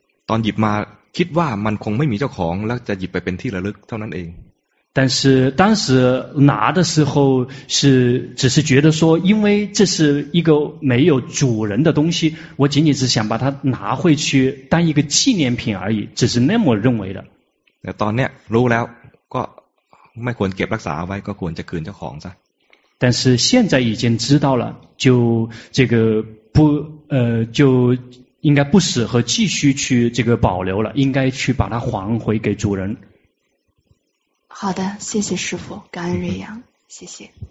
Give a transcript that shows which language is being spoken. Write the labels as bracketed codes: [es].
[th] ตอนหยิบมาคิดว่ามันคงไม่มีเจ้าของแล้วจะหยิบไปเป็นที่ระลึกเท่านั้นเอง [zh] 但是当时拿的时候是只是觉得说因为这是一个没有主人的东西我仅仅是想把它拿回去当一个纪念品而已只是那么认为的 [th] ตอนนี้รู้แล้วก็ไม่ควรเก็บรักษาไว้ก็ควรจะคืนเจ้าของซะ [zh] 但是现在已经知道了就这个不就应该不适合继续去这个保留了应该去把它还回给主人好的谢谢师父感恩瑞阳谢谢